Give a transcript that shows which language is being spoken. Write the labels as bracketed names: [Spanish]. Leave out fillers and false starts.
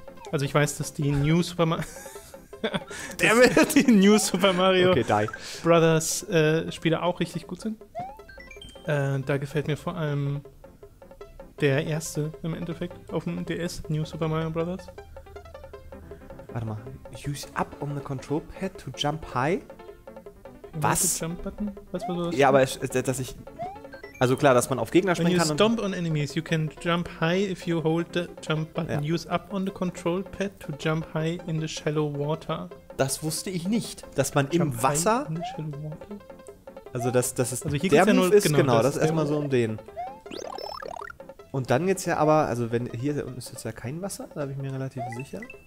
[German] Also ich weiß, dass die New Super Mario... Der will die New Super Mario okay, die. Brothers Spiele auch richtig gut sind. Da gefällt mir vor allem... Der erste im Endeffekt auf dem DS, New Super Mario Brothers. Warte mal. [English] Use up on the control pad to jump high? [German] Was? [English] Jump button? [German] Was war sowas? Ja, aber dass ich. Also klar, dass man auf Gegner springen kann. [English] You stomp on enemies. You can jump high if you hold the jump button. [German] Ja. [English] Use up on the control pad to jump high in the shallow water. [German] Das wusste ich nicht. Dass man im Wasser. Also, das ist also der Move, ja, ist genau. Das ist erstmal so um den. Und dann jetzt ja aber, also wenn hier unten ist jetzt ja kein Wasser, da bin ich mir relativ sicher.